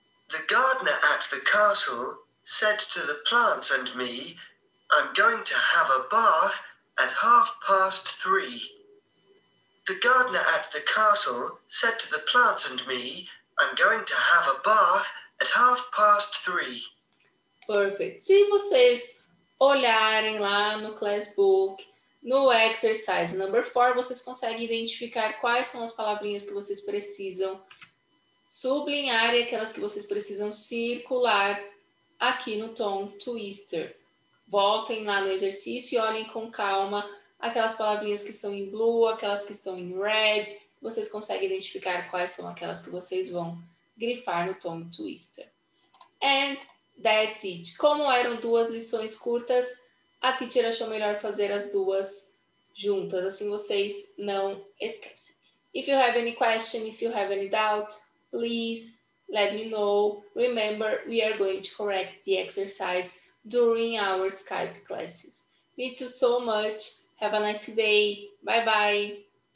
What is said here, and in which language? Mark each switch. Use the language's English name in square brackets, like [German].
[English] The gardener at the castle said to the plants and me, I'm going to have a bath at 3:30. The gardener at the castle said to the plants and me, I'm going to have a bath at 3:30. Perfect. [Portuguese] Se vocês olharem lá no class book, no [English] exercise number 4, [Portuguese] vocês conseguem identificar quais são as palavrinhas que vocês precisam sublinhar e aquelas que vocês precisam circular aqui no tongue twister. Voltem lá no exercício e olhem com calma aquelas palavrinhas que estão em blue, aquelas que estão em red, vocês conseguem identificar quais são aquelas que vocês vão grifar no tongue twister. [English] And that's it. [Portuguese] Como eram duas lições curtas, a teacher achou melhor fazer as duas juntas. Assim vocês não esquecem. [English] If you have any question, if you have any doubt, please let me know. Remember, we are going to correct the exercise during our Skype classes. Miss you so much. Have a nice day. Bye-bye.